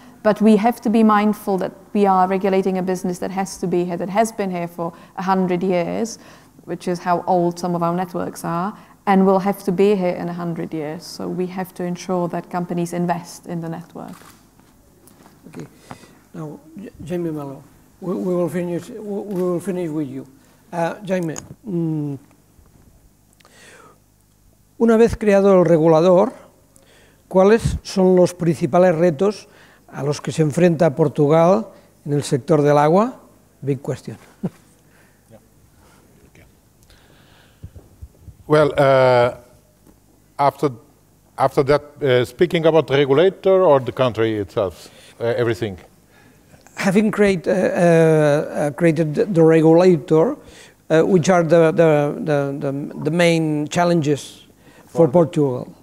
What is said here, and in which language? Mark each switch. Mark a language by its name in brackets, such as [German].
[English] But we have to be mindful that we are regulating a business that has to be here, that has been here for 100 years, which is how old some of our networks are, and will have to be here in 100 years. So we have to ensure that companies invest in the network. Okay. Now, Jaime Melo, we will finish with you. [Spanish] Jaime, una vez creado el regulador, ¿cuáles son los principales retos a los que se enfrenta Portugal en el sector del agua? [English] Big question. Well, after that, speaking about the regulator or the country itself, everything. Having created the regulator, which are the main challenges for Portugal?